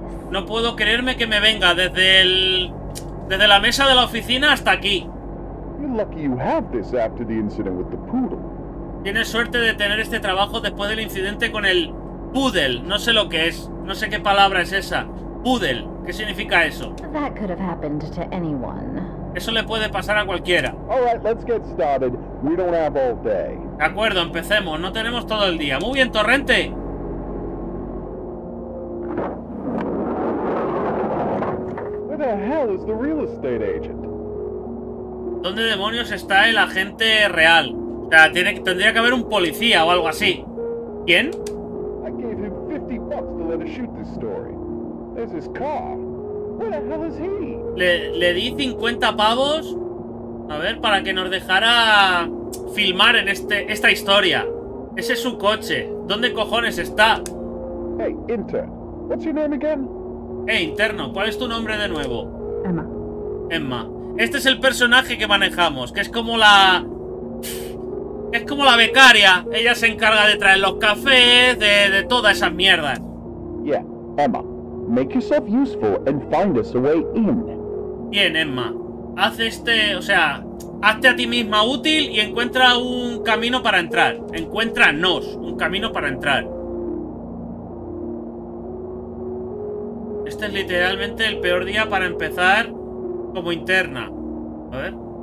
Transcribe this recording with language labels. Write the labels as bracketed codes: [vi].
[es] No puedo creerme que me venga desde el... desde la mesa de la oficina hasta aquí. [en] You're lucky you have this after the incident with the poodle. [es] Tienes suerte de tener este trabajo después del incidente con el poodle. No sé lo que es. No sé qué palabra es esa. Poodle. ¿Qué significa eso? [en] That could have happened to anyone. [es] Eso le puede pasar a cualquiera. [en] All right, let's get started. We don't have all day. [es] De acuerdo, empecemos. No tenemos todo el día. Muy bien, Torrente. [en] Where the hell is the real estate agent? [es] ¿Dónde demonios está el agente real? O sea, tendría que haber un policía o algo así. ¿Quién? [en] I gave him 50 bucks to let us shoot this story. There's his car. Where the hell is he? [es] Le di 50 pavos, a ver, para que nos dejara filmar en esta historia. Ese es su coche. ¿Dónde cojones está? [en] Hey, intern. What's your name again? [es] Hey, interno, ¿cuál es tu nombre de nuevo? [en] Emma. [es] Emma. Este es el personaje que manejamos, que es como la... Es como la becaria. Ella se encarga de traer los cafés, de todas esas mierdas. [en] Yeah, Emma. Make yourself useful and find us a way in. [es] Bien, Emma. Haz o sea, hazte a ti misma útil y encuentra un camino para entrar. Encuéntranos un camino para entrar. Este es literalmente el peor día para empezar como interna. A ver.